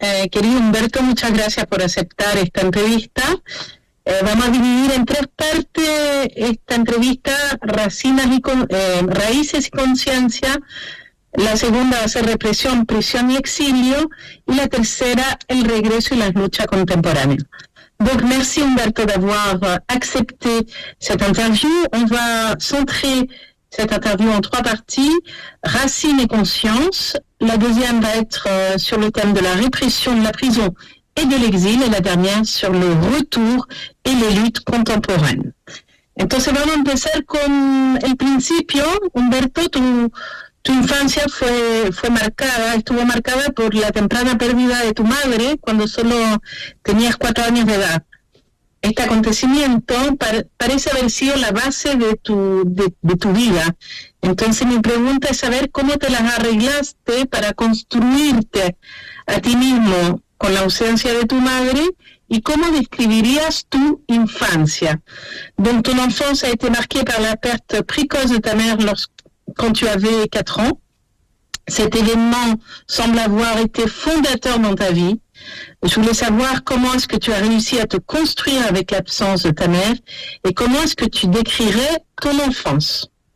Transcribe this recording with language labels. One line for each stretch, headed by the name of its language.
Spanish: Querido Humberto, muchas gracias por aceptar esta entrevista. Vamos a dividir en 3 partes esta entrevista, raíces y conciencia. La segunda va a ser represión, prisión y exilio. Y la tercera, el regreso y las luchas contemporáneas.
French: Donc, merci Humberto d'avoir accepté cette interview. On va centrer cette interview en 3 parties, racines et conscience. La deuxième va être sur le thème de la répression, de la prison et de l'exil, et la dernière sur le retour et les luttes contemporaines.
Spanish: Entonces, vamos a empezar con el principio. Humberto, tu infancia estuvo marcada por la temprana pérdida de tu madre cuando solo tenías 4 años de edad. Este acontecimiento parece haber sido la base de tu vida. Entonces, mi pregunta es saber cómo te las arreglaste para construirte a ti mismo con la ausencia de tu madre, y cómo describirías tu infancia.
French: Donc, ton enfance a été marquée par la perte précoce de ta mère quand tu avais 4 ans. Cet événement semble avoir été fondateur dans ta vie. Je voulais savoir comment est-ce que tu as réussi à te construire avec l'absence de ta mère, et comment est-ce que tu décrirais ton enfance.